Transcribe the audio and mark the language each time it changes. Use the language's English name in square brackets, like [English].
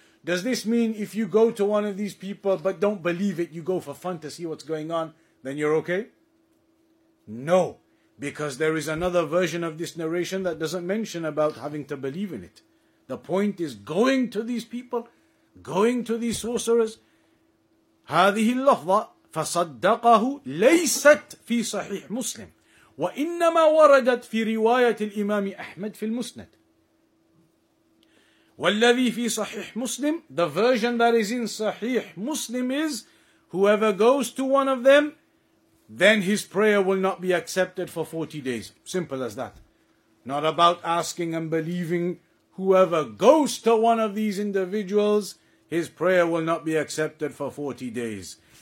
[English] Does this mean if you go to one of these people but don't believe it, you go for fun to see what's going on, then you're okay? No, because there is another version of this narration that doesn't mention about having to believe in it. The point is going to these people, going to these sorcerers. [Arabic] هذه اللفظة فصدقه ليست في صحيح مسلم وإنما وردت في رواية الإمام أحمد في المسند. وَالَّذِي فِي صَحِيحْ مُسْلِمْ. [English] The version that is in Sahih Muslim is, whoever goes to one of them, then his prayer will not be accepted for 40 days. Simple as that. Not about asking and believing. Whoever goes to one of these individuals, his prayer will not be accepted for 40 days.